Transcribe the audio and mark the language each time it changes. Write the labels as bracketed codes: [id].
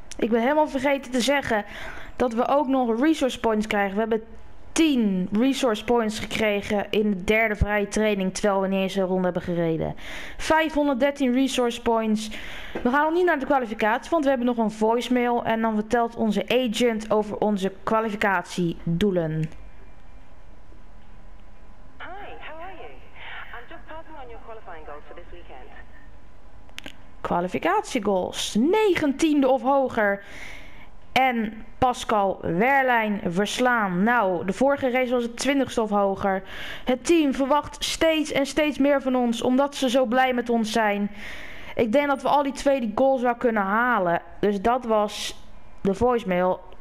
[nl] Ik ben helemaal vergeten te zeggen dat we ook nog resource points krijgen. We hebben 10 resource points gekregen in de derde vrije training, terwijl we ineens een ronde hebben gereden. 513 resource points. We gaan nog niet naar de kwalificatie, want we hebben nog een voicemail. En dan vertelt onze agent over onze kwalificatiedoelen. [en] Hi, how are you? I'm just passing on your qualifying goals for this weekend. [nl] Kwalificatiegoals. 19e of hoger. En Pascal Wehrlein verslaan. Nou, de vorige race was het 20ste of hoger. Het team verwacht steeds en steeds meer van ons, omdat ze zo blij met ons zijn. Ik denk dat we al die tweede goals wel kunnen halen. Dus dat was de voicemail.